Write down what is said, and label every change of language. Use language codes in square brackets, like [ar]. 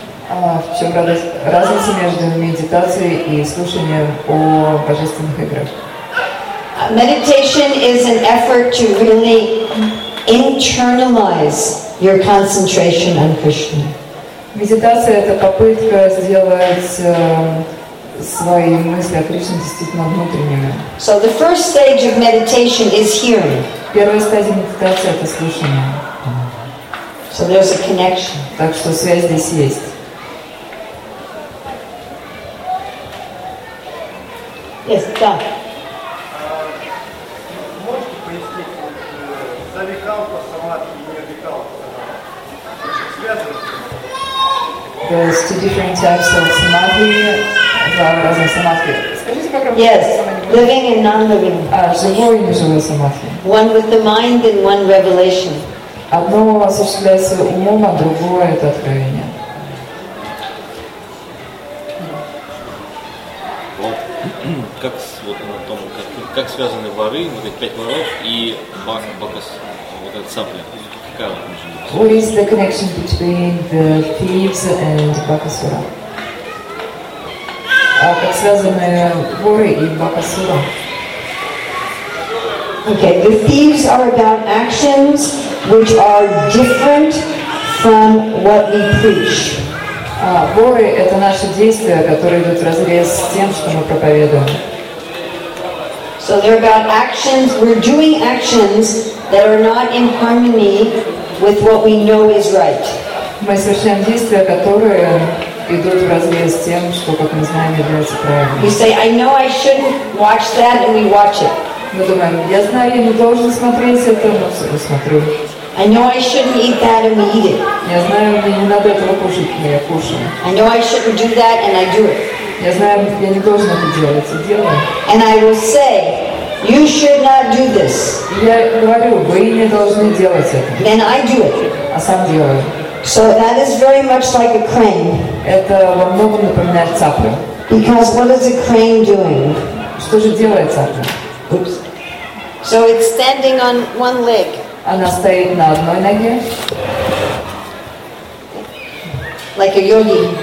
[ru] В чем разница между медитацией и слушанием о божественных играх? [en] Meditation is an effort to really internalize your concentration on Krishna. [ru] Медитация — это попытка сделать свои мысли о Кришне действительно внутренними. [en] So the first stage of meditation is hearing. [ru] Первая стадия медитации — это слушание. [en] So there's a connection. [ru] Так что связь здесь есть. [en] Yes, да. [ru] Можете пояснить завикалпа самадхи и невикалпа самадхи? [en] There's two different types of samadhi. [ru] Разные самадхи. [en] Yes, living and non-living. [ru] Живой и неживой самадхи. [en] One with the mind and one revelation. [ru] Одно осуществляется умом, а другое — это откровение. Как, вот, на том, как связаны воры, вот эти пять воров и бакас, вот этот сапля? Какая вот между ними? [en] What is the connection between the thieves and бакасура? [ru] Как связаны воры и бакасура? [en] Okay, the thieves are about actions which are different from what we preach. [ru] Воры — это наши действия, которые идут вразрез с тем, что мы проповедуем. [en] So they're about actions, we're doing actions that are not in harmony with what we know is right. [ru] Мы совершаем действия, которые идут вразрез с тем, что, как мы знаем, является правильным. [en] We say, I know I shouldn't watch that, and we watch it. [ru] Мы думаем, я знаю, я не должен смотреть это, но все смотрю. [en] I know I shouldn't eat that, and we eat it. [ru] Я знаю, мне не надо этого кушать, но я кушаю. [en] I know I shouldn't do that, and I do it. [ru] Я знаю, я не должен это делать, и делаю. [en] And I will say, you should not do this. [ru] Я говорю, вы не должны делать это. [en] Then I do it. [ru] А сам делаю. [en] So that is very much like a crane. [ru] Это во многом напоминает цаплю. [en] Because what is a crane doing? [ru] Что же делает цапля? [en] Oops. So it's standing on one leg. [ru] Она стоит на одной ноге. [en] Like a yogi.